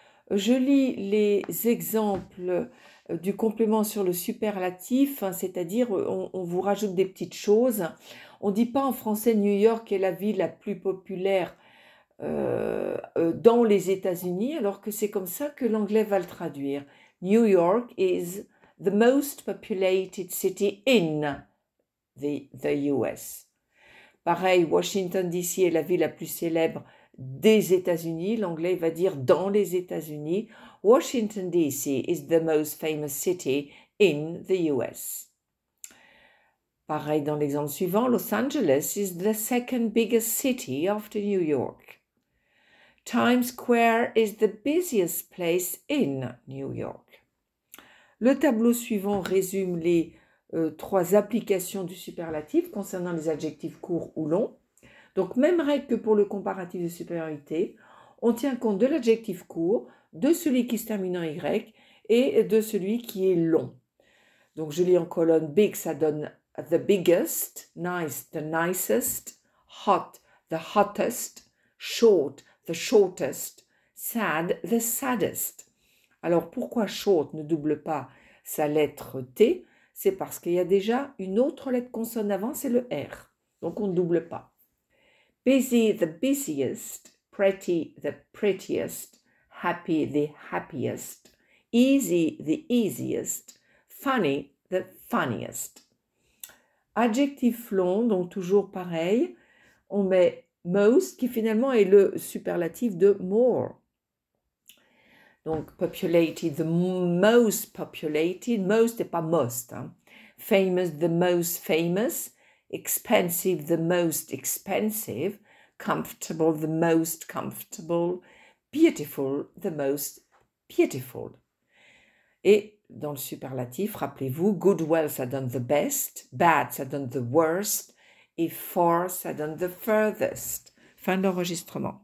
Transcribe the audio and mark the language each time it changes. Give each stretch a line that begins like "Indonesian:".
French: Je lis les exemples du complément sur le superlatif, hein, c'est-à-dire on vous rajoute des petites choses. On ne dit pas en français New York est la ville la plus populaire dans les États-Unis, alors que c'est comme ça que l'anglais va le traduire.
English: New York is the most populated city in the US.
French: Pareil, Washington DC est la ville la plus célèbre des États-Unis. L'anglais va dire dans les États-Unis.
English: Washington DC is the most famous city in the US.
French: Pareil dans l'exemple suivant,
English: Los Angeles is the second biggest city after New York. Times Square is the busiest place in New York.
French: Le tableau suivant résume les trois applications du superlatif concernant les adjectifs courts ou longs. Donc, même règle que pour le comparatif de supériorité, on tient compte de l'adjectif court, de celui qui se termine en Y et de celui qui est long. Donc, je lis en colonne,
English: big, ça donne the biggest, nice, the nicest, hot, the hottest, short, the shortest, sad, the saddest.
French: Alors, pourquoi short ne double pas sa lettre T? C'est parce qu'il y a déjà une autre lettre consonne avant, c'est le R. Donc, on ne double pas.
English: Busy, the busiest. Pretty, the prettiest. Happy, the happiest. Easy, the easiest. Funny, the funniest.
French: Adjectif long, donc toujours pareil. On met most, qui finalement est le superlatif de more.
English: Donc, populated, the most populated.
French: Most n'est pas most, hein.
English: Famous, the most famous. Expensive, the most expensive. Comfortable, the most comfortable. Beautiful, the most beautiful.
French: Et dans le superlatif, rappelez-vous, good, well, ça donne the best. Bad, ça donne the worst. Et far, ça donne the furthest. Fin de l'enregistrement.